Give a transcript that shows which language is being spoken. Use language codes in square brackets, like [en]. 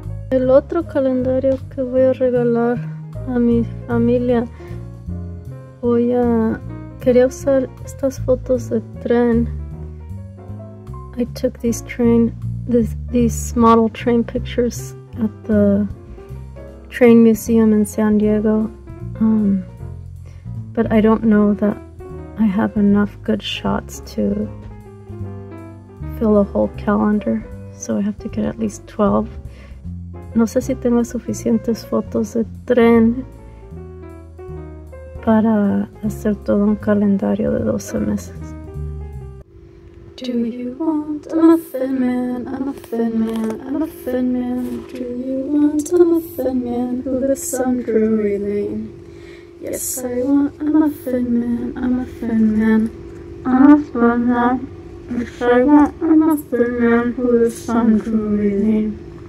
[es] El otro calendario que voy a regalar a mi familia, quería usar estas fotos de tren. [en] I took these model train pictures at the train museum in San Diego, but I don't know that I have enough good shots to fill a whole calendar, so I have to get at least 12. [es] No sé si tengo suficientes fotos de tren para hacer todo un calendario de 12 meses. [en] Do you want? I'm a thin man, I'm a thin man, I'm a thin man. Do you want? I'm a thin man who lives some dreary lane. Yes, I want. I'm a thin man, I'm a thin man, I'm a thin man. Yes, I want. I'm a thin man who lives some dreary lane.